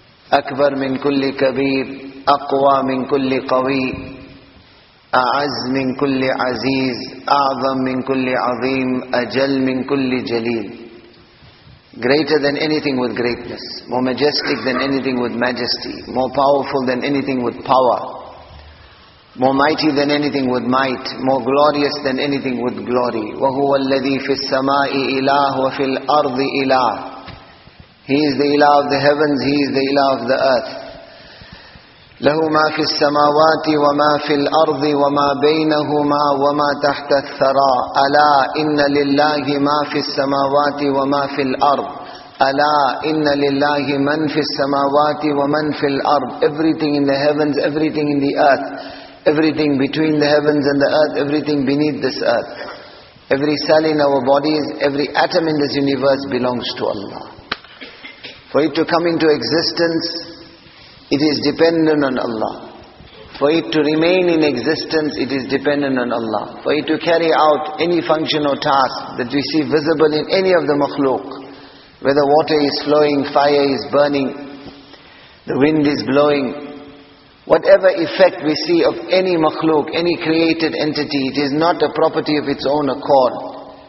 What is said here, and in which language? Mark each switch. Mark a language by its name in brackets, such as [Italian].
[Arabic] Akbar min kulli kabir, أَقْوَى مِنْ كُلِّ قَوِيٍّ أَعَزْ مِنْ كُلِّ عَزِيزٍ أَعْظَمْ مِنْ كُلِّ عَظِيمٍ أَجَلْ مِنْ كُلِّ جَلِيلٍ [English] Greater than anything with greatness, more majestic than anything with majesty, more powerful than anything with power, more mighty than anything with might, more glorious than anything with glory. [Arabic] وَهُوَ الَّذِي فِي السَّمَاءِ إِلَهُ وَفِي الْأَرْضِ إِلَهُ [English] He is the Ilah of the heavens, He is the Ilah of the earth. [Arabic] له ما في السماوات وما في الأرض وما بينهما وما تحت الثرى ألا إن لله ما في السماوات وما في الأرض ألا إن لله من في السماوات ومن في الأرض [English] Everything in the heavens, everything in the earth, everything between the heavens and the earth, everything beneath this earth. Every cell in our bodies, every atom in this universe belongs to Allah. For it to come into existence, it is dependent on Allah. For it to remain in existence, it is dependent on Allah. For it to carry out any function or task that we see visible in any of the makhluk, whether water is flowing, fire is burning, the wind is blowing, whatever effect we see of any makhluk, any created entity, it is not a property of its own accord.